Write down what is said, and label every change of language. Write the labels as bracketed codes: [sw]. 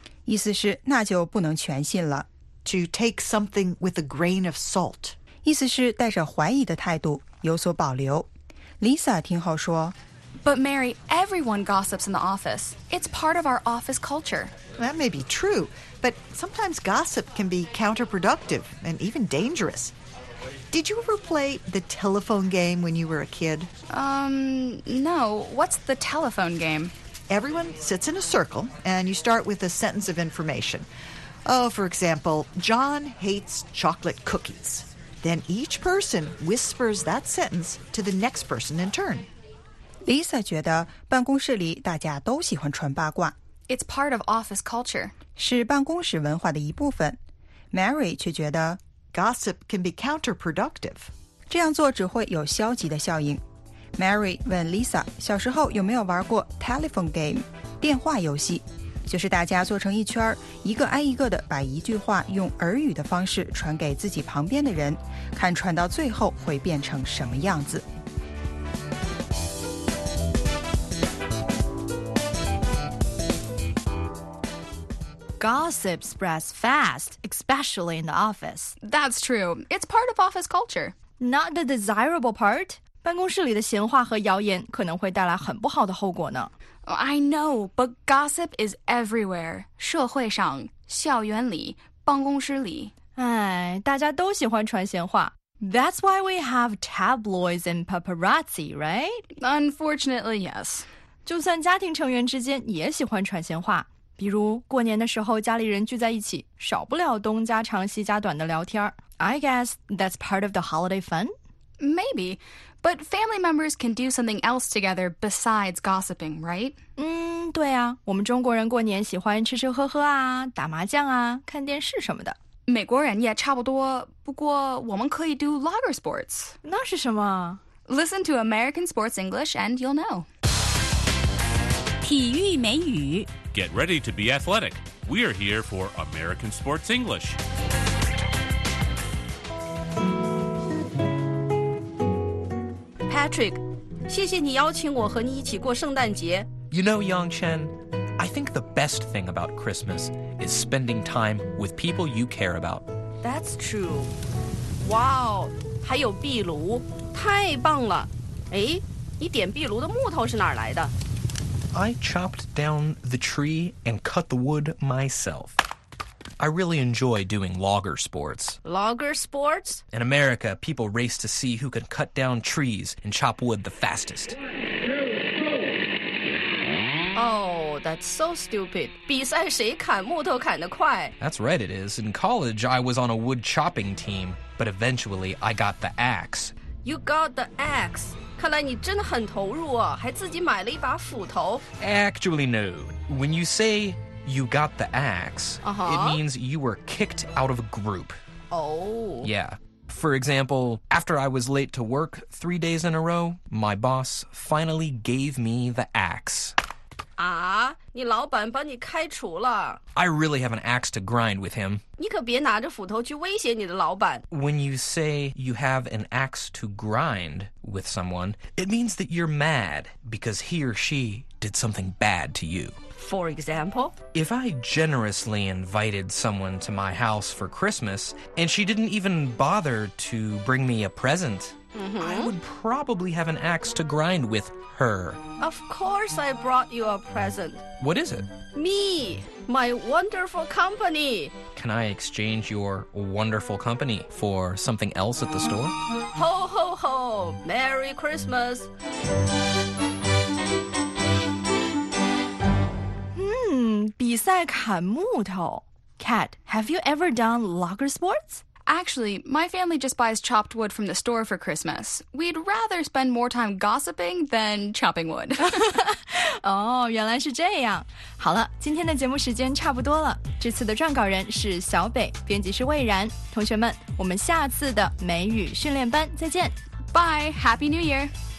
[zh] 意思是那就不能全信了。 [en] To take something with a grain of salt. [zh] 意思是带着怀疑的态度有所保留。 Lisa 听后说 [en] But Mary, everyone gossips in the office. It's part of our office culture. That may be true, but sometimes gossip can be counterproductive and even dangerous. Did you ever play the telephone game when you were a kid? No. What's the telephone game? Everyone sits in a circle, and you start with a sentence of information. Oh, for example, John hates chocolate cookies. Then each person whispers that sentence to the next person in turn. [zh] Lisa 觉得办公室里大家都喜欢传八卦。 [en] It's part of office culture. [zh] 是办公室文化的一部分。 Mary 却觉得 [en] Gossip can be counterproductive. [zh] 这样做只会有消极的效应。Mary 问 Lisa 小时候有没有玩过 telephone game, 电话游戏。就是大家坐成一圈，一个挨一个的把一句话用耳语的方式传给自己旁边的人，看传到最后会变成什么样子。 [en] Gossip spreads fast, especially in the office. That's true. It's part of office culture. Not the desirable part. [zh] 办公室里的闲话和谣言可能会带来很不好的后果呢。 [en] I know, but gossip is everywhere. [zh] 社会上、校园里、办公室里。哎，大家都喜欢传闲话。 [en] That's why we have tabloids and paparazzi, right? Unfortunately, yes. [zh] 就算家庭成员之间也喜欢传闲话。比如过年的时候家里人聚在一起，少不了东家长西家短的聊天。 [en] I guess that's part of the holiday fun? Maybe. But family members can do something else together besides gossiping, right? [zh] 对啊，我们中国人过年喜欢吃吃喝喝啊，打麻将啊，看电视什么的。美国人也差不多，不过我们可以 [en] do lager sports. [zh] 那是什么？ [en] Listen to American Sports English and you'll know. [zh] 体育美语。 [en] Get ready to be athletic. We are here for American Sports English. [zh] Patrick, 谢谢你邀请我和你一起过圣诞节。 [en] You know, Yongchen, I think the best thing about Christmas is spending time with people you care about. That's true. [zh] Wow, 还有壁炉，太棒了。哎，你点壁炉的木头是哪儿来的？ [en] I chopped down the tree and cut the wood myself. I really enjoy doing logger sports. Logger sports? In America, people race to see who can cut down trees and chop wood the fastest. Oh, that's so stupid. [zh] 比赛谁砍木头砍得快? [en] That's right it is. In college, I was on a wood chopping team, but eventually I got the axe. You got the axe. [zh] 看来你真的很投入啊,还自己买了一把斧头。 [en] Actually, no. When you say... You got the axe, it means you were kicked out of a group. Oh. Yeah. For example, after I was late to work 3 days in a row, my boss finally gave me the axe. [zh] Ah, 你老板把你开除了。 [en] I really have an axe to grind with him. [zh] 你可别拿着斧头去威胁你的老板。 [en] When you say you have an axe to grind with someone, it means that you're mad because he or she did something bad to you. For example? If I generously invited someone to my house for Christmas, and she didn't even bother to bring me a present,、 mm-hmm. I would probably have an axe to grind with her. Of course I brought you a present. What is it? Me, my wonderful company. Can I exchange your wonderful company for something else at the store? Ho, ho, ho! Merry Christmas! [zh] 比赛砍木头。 [en] Kat, have you ever done logger sports? Actually, my family just buys chopped wood from the store for Christmas. We'd rather spend more time gossiping than chopping wood. [zh] 哦，原来是这样。好了，今天的节目时间差不多了。这次的撰稿人是小北，编辑是魏然。同学们，我们下次的美语训练班再见。 [en] Bye, Happy New Year!